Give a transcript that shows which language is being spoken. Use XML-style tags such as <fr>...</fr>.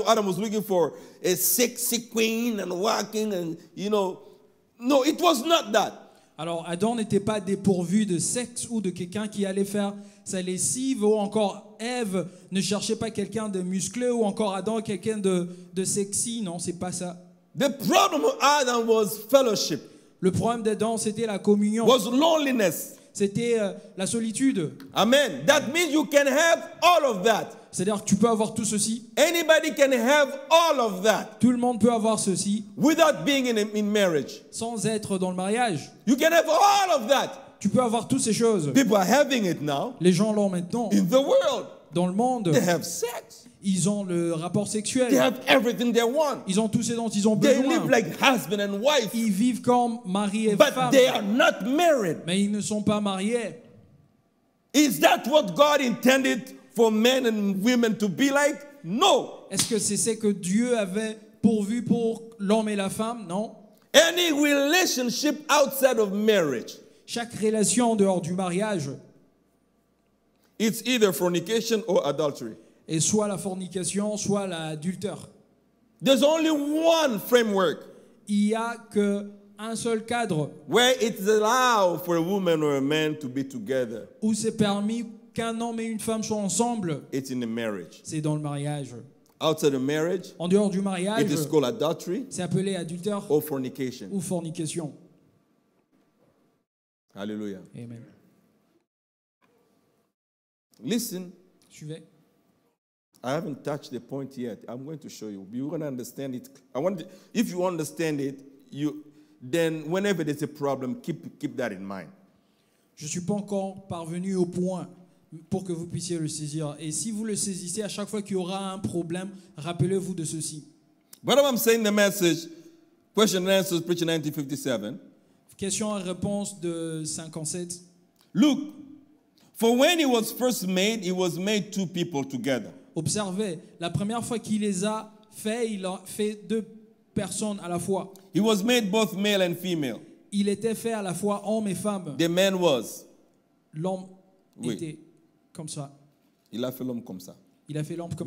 <en>Adam was looking for a sexy queen and walking, and you know, no, it was not that.</en> <fr>Alors Adam n'était pas dépourvu de sexe ou de quelqu'un qui allait faire sa lessive, ou encore Eve ne cherchait pas quelqu'un de musclé, ou encore Adam quelqu'un de sexy. Non, c'est pas ça.</fr> <en>The problem of Adam was fellowship.</en> <fr>Le problème d'Adam, c'était la communion.</fr> <en>Was loneliness.</en> <fr>C'était la solitude. Amen.</fr> <en>That means you can have all of that.</en> <fr>C'est-à-dire que tu peux avoir tout ceci.</fr> <en>Anybody can have all of that.</en> <fr>Tout le monde peut avoir ceci.</fr> <en>Without being in marriage.</en> <fr>Sans être dans le mariage.</fr> <en>You can have all of that.</en> <fr>Tu peux avoir toutes ces choses.</fr> <en>People are having it now.</en> <fr>Les gens l'ont maintenant.</fr> <en>In the world.</en> <fr>Dans le monde.</fr> <en>They have sex.</en> <fr>Ils ont le rapport sexuel.</fr> <en>They have everything they want.</en> <fr>Ils ont tout ce dont ils ont besoin.</fr> <en>They live like husband and wife.</en> <fr>Ils vivent comme mari et</fr> <en>but</en> <fr>femme.</fr> <en>They are not married.</en> <fr>Mais ils ne sont pas mariés.</fr> <en>Is that what God intended for men and women to be like? No.</en> <fr>Est-ce que c'est ce que Dieu avait pourvu pour l'homme et la femme? Non.</fr> <en>Any relationship outside of marriage.</en> <fr>Chaque relation en dehors du mariage.</fr> <en>It's either fornication or adultery.</en> <fr>Et soit la fornication, soit l'adultère.</fr> <en>There's only one framework.</en> <fr>Il n'y a qu'un seul cadre.</fr> <en>Where it's allowed for a woman or a man to be together.</en> <fr>Où c'est permis qu'un homme et une femme soient ensemble.</fr> <en>It's in the marriage.</en> <fr>C'est dans le mariage.</fr> <en>Outside of marriage,</en> <fr>en dehors du mariage,</fr> <en>it is called adultery,</en> <fr>c'est appelé adultère</fr> <en>or fornication.</en> <fr>Ou fornication. Alléluia. Amen.</fr> <en>Listen.</en> <fr>Suivez.</fr> <en>I haven't touched the point yet. I'm going to show you. You're going to understand it. I want to, if you understand it, you then whenever there's a problem, keep that in mind.</en> <fr>Je suis pas encore parvenu au point pour que vous puissiez le saisir. Et si vous le saisissez à chaque fois qu'il y aura un problème, rappelez-vous de ceci.</fr> <en>What I'm saying the message, question and answers, preaching 1957.</en> <fr>Question et réponse de 57.</fr> <en>Look, for when he was first made, he was made two people together.</en> <fr>Observez, la première fois qu'il les a faits, il a fait deux personnes à la fois.</fr> <en>He was made both male and female.</en> <fr>Il était fait à la fois homme et femme.</fr> <en>The man was.</en> <fr>L'homme oui. Était comme ça. Il a fait l'homme comme ça. Il a fait l'homme comme</fr>